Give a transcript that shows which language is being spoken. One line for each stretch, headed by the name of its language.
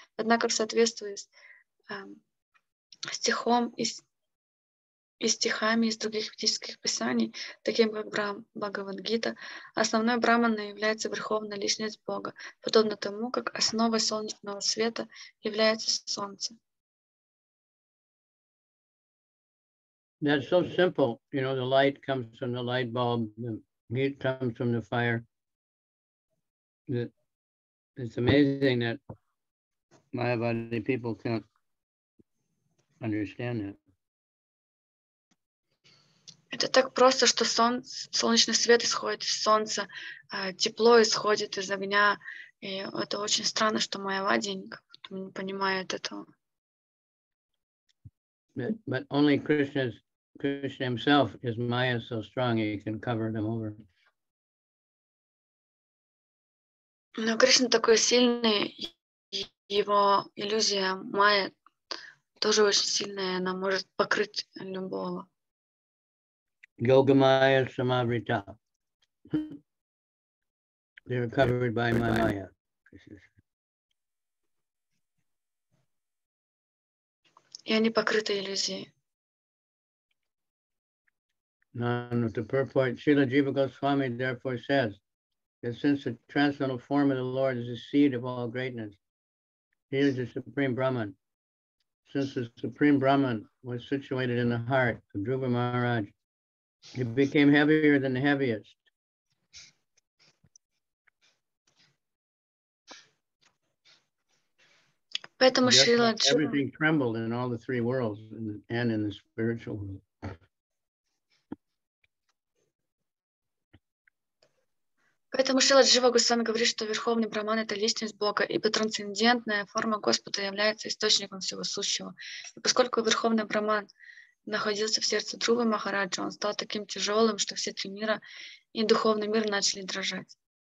Russian: Однако в соответствии с стихом и стихами из других ведических писаний, таким как Бхагавад-гита, основной Брахманой является Верховная Личность Бога, подобно тому, как основой солнечного света является Солнце.
English: That's so simple. You know, the light comes from the light bulb, the heat comes from the fire. It's amazing that Mayavadi people can't understand that.
Russian: Это так просто, что солнечный свет исходит из солнца, тепло исходит из огня, и это очень странно, что Майявади не понимает этого.
English: But only Krishna himself, his Maya is so strong, he can cover them over.
Russian: Но Кришна такой сильный, его иллюзия Майя тоже очень сильная, она может покрыть любого.
Sanskrit: Yogamaya Samavrita.
English: They're covered by my Maya.
Russian: И они покрыты иллюзией.
English: None of the purport. Srila Jiva Goswami therefore says that since the transcendental form of the Lord is the seed of all greatness, he is the Supreme Brahman. Since the Supreme Brahman was situated in the heart of Dhruva Maharaj, he became heavier than the heaviest.
Russian: Поэтому Шрила Джива.
English: Everything trembled in all the three worlds and in the spiritual world.
Russian: Поэтому Шрила Джива Гусан говорит, что Верховный Брахман — это личность Бога, ибо трансцендентная форма Господа является источником всего сущего. И поскольку Верховный Брахман находился в сердце Друга Махараджа, он стал таким тяжелым, что все три мира и духовный мир начали дрожать.